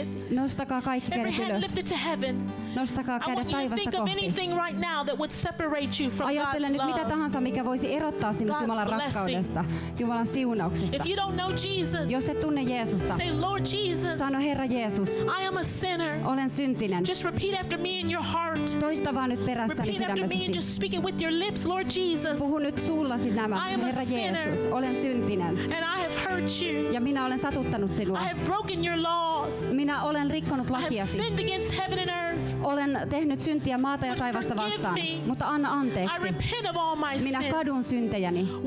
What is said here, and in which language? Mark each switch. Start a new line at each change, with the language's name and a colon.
Finnish: Nostakaa kaikki kädet ylös. Nostakaa kädet taivasta kohti. Ajattele nyt mitä tahansa, mikä voisi erottaa sinut Jumalan rakkaudesta, Jumalan siunauksesta. Jos et tunne Jeesusta,
English: Lord Jesus,
Finnish: sano Herra Jeesus,
English: I am a sinner.
Finnish: Olen syntinen.
English: Just repeat after me in your heart.
Finnish: Toista vaan nyt perässäni sydämessäsi.
English: Repeat after me, just speak it with your lips, Lord Jesus.
Finnish: Puhu nyt suullasi nämä, Herra Jeesus, olen syntinen.
English: And I have hurt you.
Finnish: Ja minä olen satuttanut sinua.
English: I have broken your laws.
Finnish: Minä olen rikkonut lakiasi.
English: I have sinned against heaven and earth.
Finnish: Olen tehnyt syntiä maata ja taivasta vastaan. Mutta anna anteeksi.
English: I repent of all my sins.
Finnish: Minä kadun syntejäni.